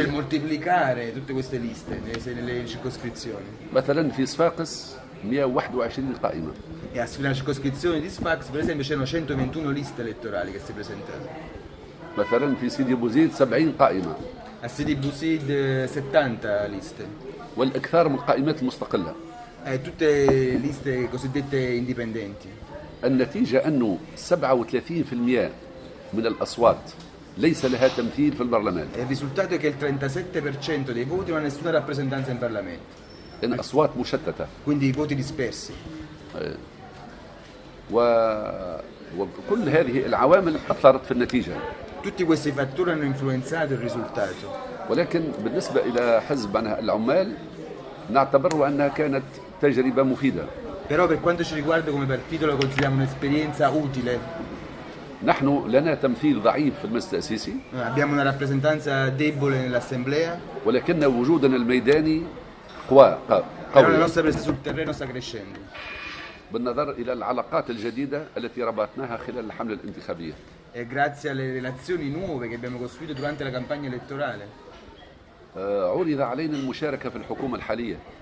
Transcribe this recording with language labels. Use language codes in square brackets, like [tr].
[it] C'è il moltiplicare tutte queste liste nelle circoscrizioni. [ar] مثلا في صفاقس 121 قائمة. [it] E nella circoscrizione di Sfax, per esempio, c'erano 121 liste elettorali che si presentavano. [ar] مثلا في سيدي بوزيد 70 قائمة. [it] A Sidi Bouzid 70 liste. [ar] والأكثر من القائمات المستقلة. [it] Tutte liste cosiddette indipendenti. [ar] النتيجة أنه 37% من الأصوات ليس لها تمثيل في البرلمان. [it] Il risultato è che il 37% dei voti non ha nessuna rappresentanza in Parlamento. [ar] إن أصوات مشتتة. [it] Quindi i voti dispersi. [ar] وكل هذه العوامل أثرت في النتيجة. [it] Tutti questi fattori hanno influenzato il risultato. [ar] ولكن بالنسبة إلى حزب العمال نعتبره أنها كانت تجربة مفيدة. [it] Però per quanto ci riguarda come partito lo consideriamo un'esperienza utile. [ar] نحن لنا تمثيل ضعيف في المجلس التأسيسي. [it] Abbiamo una rappresentanza debole nell'assemblea. [ar] ولكن وجودنا الميداني قوي. [it] La nostra presenza sul terreno sta crescendo. [ar] بالنظر إلى العلاقات الجديدة التي ربطناها خلال الحملة الانتخابية. [it] E grazie alle relazioni nuove che abbiamo costruito durante la campagna elettorale. [ar] عرض علينا المشاركة في الحكومة الحالية.